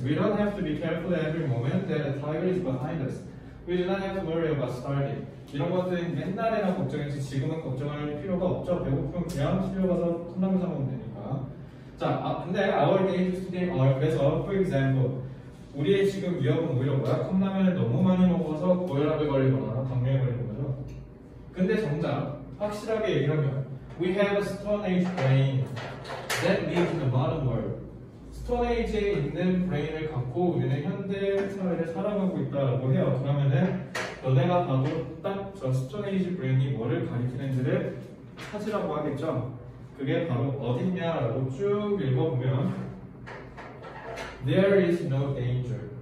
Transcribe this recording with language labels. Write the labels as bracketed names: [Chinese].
[English] We don't have to be careful every moment that a tiger is behind us. We do not have to worry about starving. [Korean] 이런 것들은 옛날에나 걱정했지 지금은 걱정할 필요가 없죠. 배고프면 그냥 실려 가서 콩나물 사 먹으면 되니까. 자, 근데 [English] our day is today. [Korean] 그래서 [English] for example, [Korean] 우리의 지금 위협은 오히려 뭐야? 콩나물을 너무 많이 먹어서 고혈압에 걸리거나 당뇨에 걸리는 거죠. 근데 정작 확실하게 얘기하면 [English] We have a stone age brain that lives in the modern world. [Korean] 스톤 에이지에 있는 브레인을 갖고 우리는 현대 사회를 살아가고 있다고 해요. 그러면은 너네가 바로 딱 저 스톤 에이지 브레인이 뭐를 가리키는지를 찾으라고 하겠죠. 그게 바로 어딨냐라고 쭉 읽어보면 [English] There is no danger.